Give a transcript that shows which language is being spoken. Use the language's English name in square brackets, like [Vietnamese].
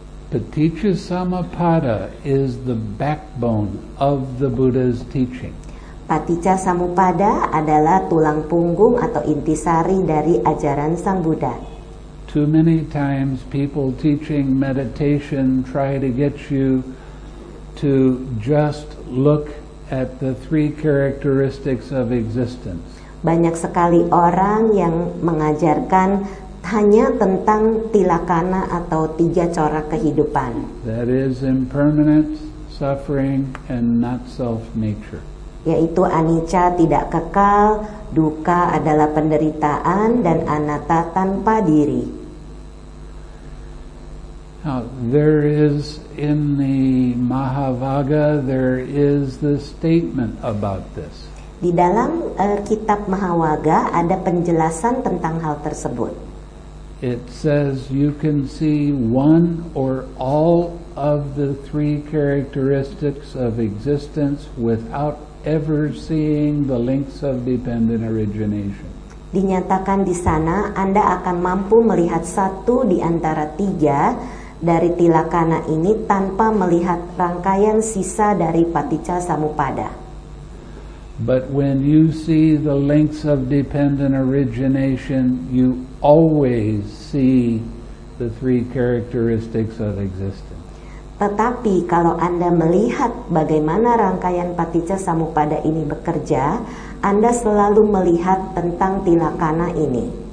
[English] Paticca samuppada is the backbone of the Buddha's teaching. [Indonesian] Paticca samuppada adalah tulang punggung atau intisari dari ajaran Sang Buddha. [English] Too many times people teaching meditation try to get you to just look at the three characteristics of existence. [Indonesian] Banyak sekali orang yang mengajarkan hanya tentang tilakana atau tiga corak kehidupan. [English] That is impermanence, suffering, and not self nature. [Indonesian] Yaitu anicca tidak kekal, duka adalah penderitaan, dan anatta tanpa diri. [English] Now, there is in the Mahavagga, there is the statement about this. [Indonesian] Di dalam kitab Mahavagga ada penjelasan tentang hal tersebut. [English] It says you can see one or all of the three characteristics of existence without ever seeing the links of dependent origination. [Indonesian] Dinyatakan di sana Anda akan mampu melihat satu di antara tiga dari tilakana ini tanpa melihat rangkaian sisa dari paticca samuppada. [English] But when you see the links of dependent origination, you always see the three characteristics of existence. [Indonesian] Tetapi kalau Anda melihat bagaimana rangkaian paticca samuppada ini bekerja, Anda selalu melihat tentang tilakana ini.